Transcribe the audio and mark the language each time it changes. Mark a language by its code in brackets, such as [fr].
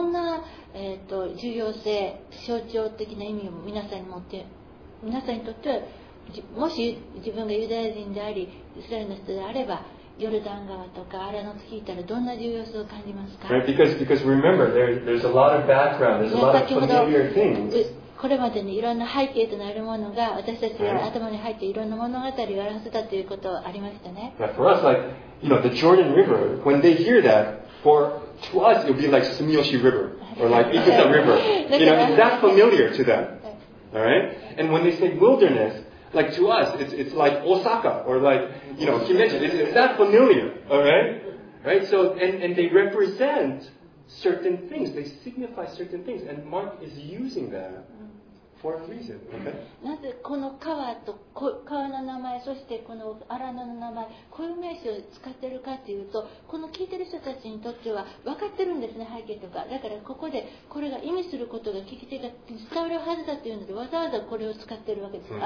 [ja] どんな、重要性、象徴的な意味を皆さんに持って、皆さんにとってもし自分がユダヤ人であり、イスラエルの人であれば、ヨルダン川とかアラノを聞いたらどんな重要性を感じますか？ [en] Right, because remember, there's a lot of background, there's a lot of familiar things. [ja] これまでにいろんな背景となるものが私たちの頭に入っていろんな物語を表せたということがありましたね。 [en] Yeah, for us, like, you know, the Jordan River, when they hear that, to us, it would be like Sumiyoshi River, or like Ikusa River. You know, is that familiar to them? All right? And when they say wilderness, like to us, it's like Osaka, or like, you know, Himeji. Is that familiar? All right? Right? So, and they represent certain things. They signify certain things. And Mark is using that. For a reason, okay? [ja] なぜこの川と川の名前、そしてこの荒野の名前、こういう名詞を使っているかというと、この聞いている人たちにとっては分かってるんですね、背景とか。だからここでこれが意味することが聞き手が伝わるはずだというので、わざわざこれを使っているわけです。